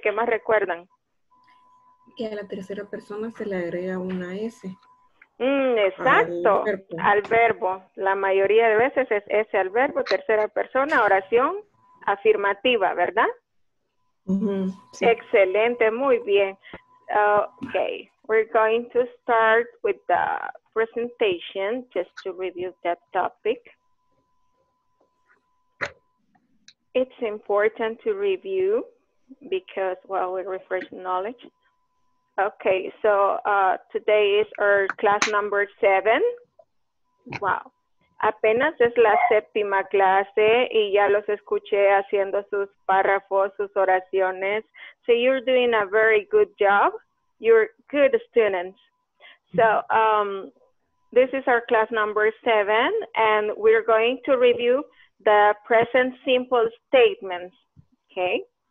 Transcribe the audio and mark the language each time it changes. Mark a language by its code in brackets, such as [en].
[es] ¿Qué más recuerdan? Que a la tercera persona se le agrega una S. Exacto, al verbo. La mayoría de veces es S al verbo, tercera persona, oración afirmativa, ¿verdad? Sí. Excelente, muy bien. [en] Okay, we're going to start with the presentation just to review that topic. It's important to review because, well, we refresh knowledge. Okay, so today is our class number 7. Wow. [es] Apenas es la séptima clase y ya los escuché haciendo sus párrafos, sus oraciones. [en] So you're doing a very good job. You're good students. So this is our class number 7 and we're going to review the present simple statements, okay?